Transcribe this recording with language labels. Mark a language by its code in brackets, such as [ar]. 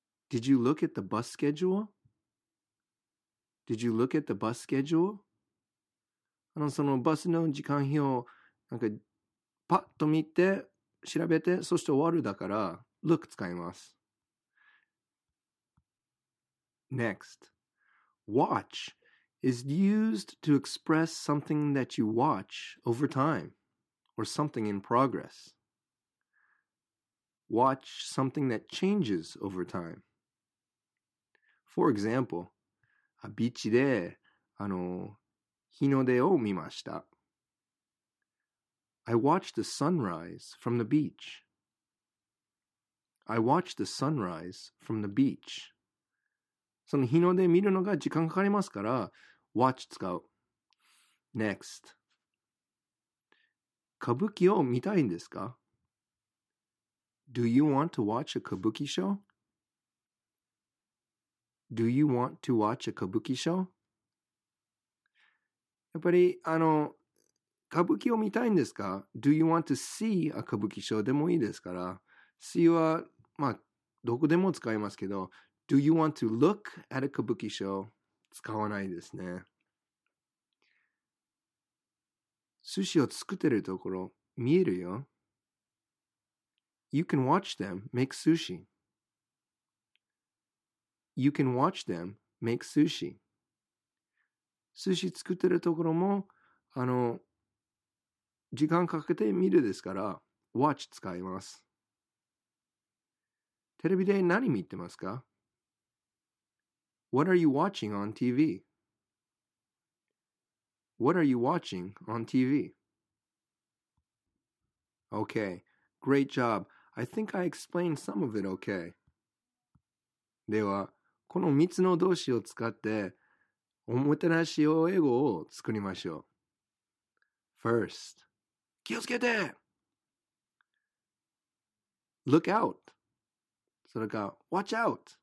[en] Did you look at the bus schedule? Did you look at the bus schedule? [ja] そのバスの時間表なんかパッと見て調べてそして終わるだから look 使います。 [en] Next, watch. Is used to express something that you watch over time or something in progress. Watch something that changes over time. For example, [ja] ビーチで日の出を見ました。 [en] I watched the sunrise from the beach. I watched the sunrise from the beach. [ja] その日の出見るのが時間かかりますから、Watch 使う。 [en] Next. [ja] 歌舞伎を見たいんですか? [en] Do you want to watch a kabuki show? Do you want to watch a kabuki show? [ja] やっぱり、あの、歌舞伎を見たいんですか? [en] Do you want to see a kabuki show? [ja] でもいいですから。See は、まあ、どこでも使いますけど、 [en] Do you want to look at a kabuki show? [ja] 使わないですね。寿司を作ってるところ、見えるよ。 [en] You can watch them make sushi. You can watch them make sushi. [ja] 寿司作ってるところも、あの、時間かけて見るですから、watch 使います。テレビで何見てますか? [en] What are you watching on TV? What are you watching on TV? Okay, great job. I think I explained some of it okay. [ja] では、この3つの動詞を使って、おもてなしを英語を作りましょう。 [en] First, [ja] 気をつけて! [en] Look out! [ja] それか、 [en] Watch out!